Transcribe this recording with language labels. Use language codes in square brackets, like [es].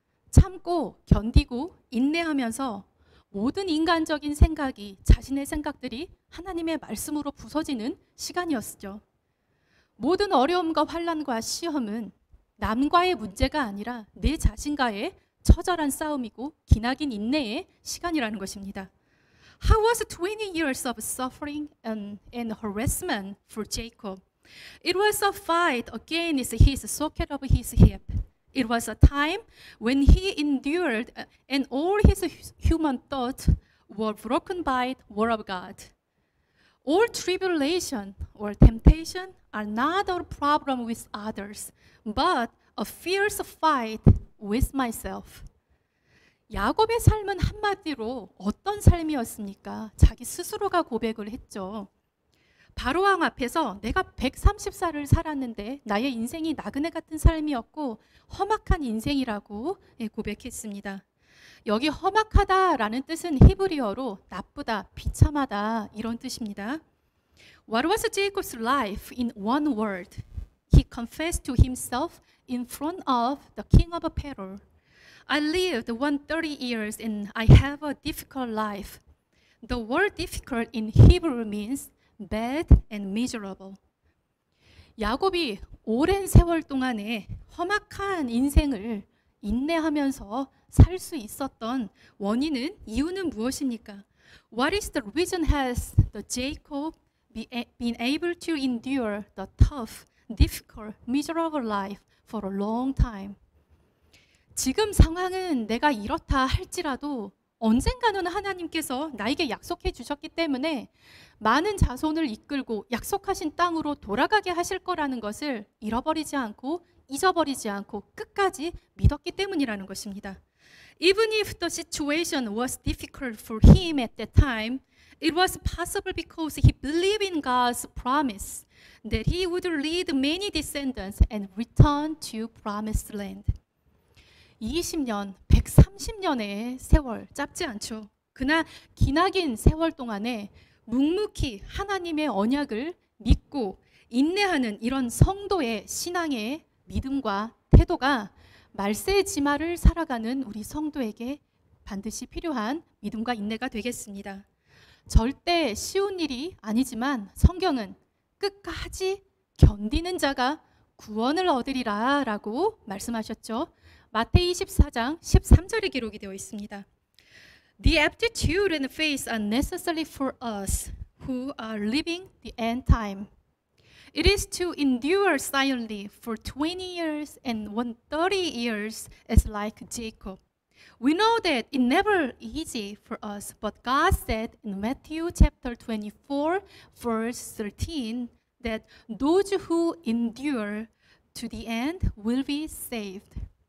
[ko] 참고 견디고 인내하면서 모든 인간적인 생각이 자신의 생각들이 하나님의 말씀으로 부서지는 시간이었죠. 모든 어려움과 환난과 시험은 남과의 문제가 아니라 내 자신과의 처절한 싸움이고 기나긴 인내의 시간이라는 것입니다. [en] How was 20 years of suffering and harassment for Jacob? It was a fight against his socket of his hip. It was a time when he endured and all his human thoughts were broken by the word of God. All tribulation or temptation are not a problem with others, but a fierce fight with myself. [ko] 야곱의 삶은 한마디로 어떤 삶이었습니까? 자기 스스로가 고백을 했죠. 바로왕 앞에서 내가 130살을 살았는데 나의 인생이 나그네 같은 삶이었고 험악한 인생이라고 고백했습니다. 여기 험악하다라는 뜻은 히브리어로 나쁘다, 비참하다 이런 뜻입니다. [en] What was Jacob's life in one word? He confessed to himself in front of the king of Peor. I lived 130 years and I have a difficult life. The word difficult in Hebrew means bad and miserable. [ko] 야곱이 오랜 세월 동안에 험악한 인생을 인내하면서 살 수 있었던 원인은 이유는 무엇입니까? [en] What is the reason has the Jacob been able to endure the tough, difficult, miserable life for a long time? [ko] 지금 상황은 내가 이렇다 할지라도 언젠가는 하나님께서 나에게 약속해 주셨기 때문에 많은 자손을 이끌고 약속하신 땅으로 돌아가게 하실 거라는 것을 잃어버리지 않고 잊어버리지 않고 끝까지 믿었기 때문이라는 것입니다. [en] Even if the situation was difficult for him at that time, it was possible because he believed in God's promise that he would lead many descendants and return to promised land. [ko] 20년, 130년의 세월, 짧지 않죠. 그나 기나긴 세월 동안에 묵묵히 하나님의 언약을 믿고 인내하는 이런 성도의 신앙의 믿음과 태도가 말세의 지마를 살아가는 우리 성도에게 반드시 필요한 믿음과 인내가 되겠습니다. 절대 쉬운 일이 아니지만 성경은 끝까지 견디는 자가 구원을 얻으리라 라고 말씀하셨죠. 마태 24장 13절에 기록이 되어 있습니다. [en] The aptitude and faith are necessary for us who are living the end time. It is to endure silently for 20 years and 130 years as like Jacob. We know that it never easy for us, but God said in Matthew chapter 24, verse 13, that those who endure to the end will be saved.